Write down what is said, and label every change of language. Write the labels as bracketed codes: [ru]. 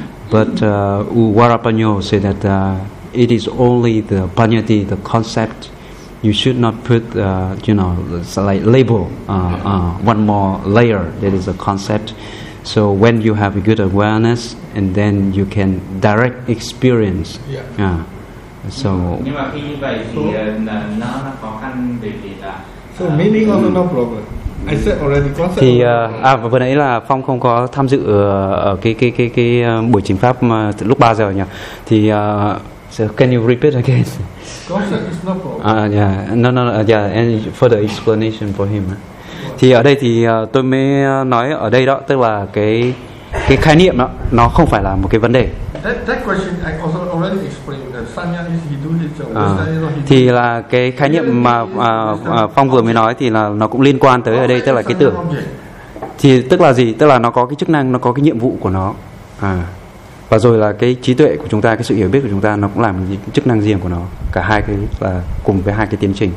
[en] But Warapanyo said that it is only the panyati, the concept. You should not put, like label, one more layer. That is a concept. So when you have a good awareness, and then you can direct experience. Yeah. So. [vi] Nhưng mà khi như vậy thì nó khó khăn vì là. [en] So meaning also no problem. I said already concept. [vi] Thì vừa nãy là Phong không có tham dự ở cái buổi chính pháp mà lúc 3 giờ nhỉ? [en] Thì so can you repeat again? And further explanation for him. [vi] Thì ở đây thì tôi mới nói ở đây đó, tức là cái khái niệm đó nó không phải là một cái vấn đề. [en] That question I also already explained that Sanya is he do his job. [vi] Thì là cái khái niệm mà Phong vừa mới nói thì là nó cũng liên quan tới ở đây, tức là cái tưởng. Thì tức là gì? Tức là nó có cái chức năng, nó có cái nhiệm vụ của nó. Và rồi là cái trí tuệ của chúng ta, cái sự hiểu biết của chúng ta, nó cũng làm chức năng riêng của nó. Cả hai cái là cùng với hai cái tiến trình.